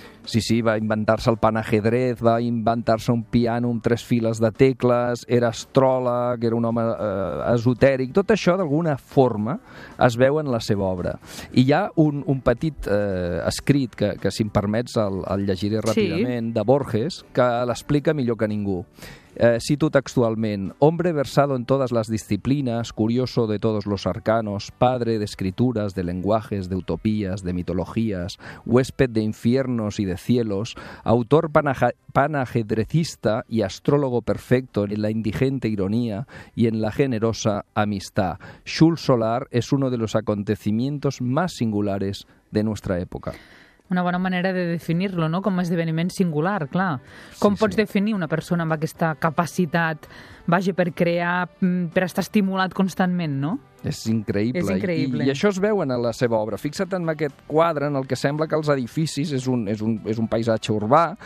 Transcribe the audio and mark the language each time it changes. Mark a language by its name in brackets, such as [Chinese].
[Catalan] Sí, sí, va inventar-se el panajedrez, va inventar-se un piano amb tres files de tecles, era astròleg, era un home esotèric. Tot això, d'alguna forma, es veu en la seva obra. I hi ha un petit escrit, que si em permets el llegiré ràpidament, sí. De Borges, que l'explica millor que ningú. [Spanish] Cito textualment, «Hombre versado en todas las disciplinas, curioso de todos los arcanos, padre de escrituras, de lenguajes, de utopías, de mitologías, huésped de infiernos y de cielos, autor panajedrecista y astrólogo perfecto en la indigente ironía y en la generosa amistad. Schull Solar es uno de los acontecimientos más singulares de nuestra época». [Catalan] Una bona manera de definir-lo, no? Com a esdeveniment singular, clar. Com sí, pots sí. definir una persona amb aquesta capacitat, vaja, per crear, per estar estimulat constantment, no? És increïble. És increïble. I això es veu en la seva obra. Fixa't en aquest quadre en el que sembla que els edificis és un paisatge urbà,